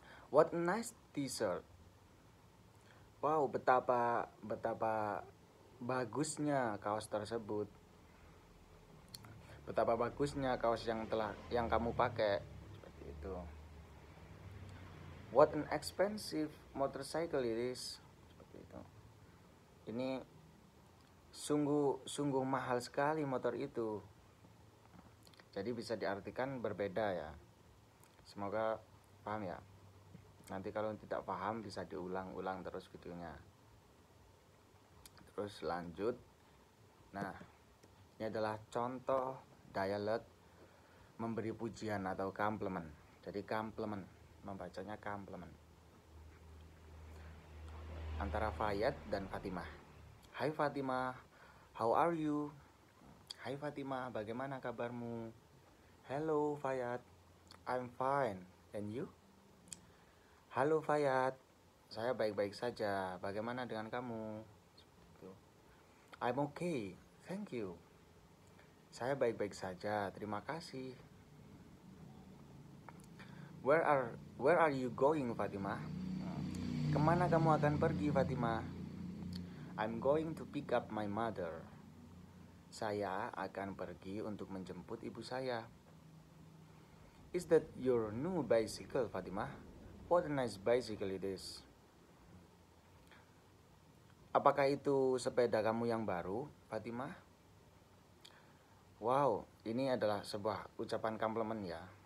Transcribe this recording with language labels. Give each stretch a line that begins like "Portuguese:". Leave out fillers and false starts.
English: What a nice dessert.
Indonesian: Wow, betapa bagusnya kaos tersebut. Betapa bagusnya kaos yang kamu pakai. Seperti itu.
English: What an expensive motorcycle it is.
Indonesian: Seperti itu. Ini sungguh mahal sekali motor itu. Jadi bisa diartikan berbeda ya. Semoga paham ya. Nanti kalau tidak paham bisa diulang-ulang terus videonya. Terus lanjut. Nah, ini adalah contoh dialog memberi pujian atau compliment. Jadi compliment, membacanya compliment. Antara Fayyad dan Fatimah. Hai Fatimah,
English: how are you?
Indonesian: Hai Fatimah, bagaimana kabarmu?
English: Hello Fayyad, I'm fine. And you?
Indonesian: Halo Fayyad, saya baik-baik saja. Bagaimana dengan kamu?
English: I'm okay, thank you.
Indonesian: Saya baik-baik saja, terima kasih.
English: Where are you going, Fatimah?
Indonesian: Kemana kamu akan pergi, Fatimah?
English: I'm going to pick up my mother.
Indonesian: Saya akan pergi untuk menjemput ibu saya.
English: Is that your new bicycle, Fatimah? What a nice bicycle it is.
Indonesian: Apakah itu sepeda kamu yang baru, Fatimah? Wow, ini adalah sebuah ucapan compliment ya.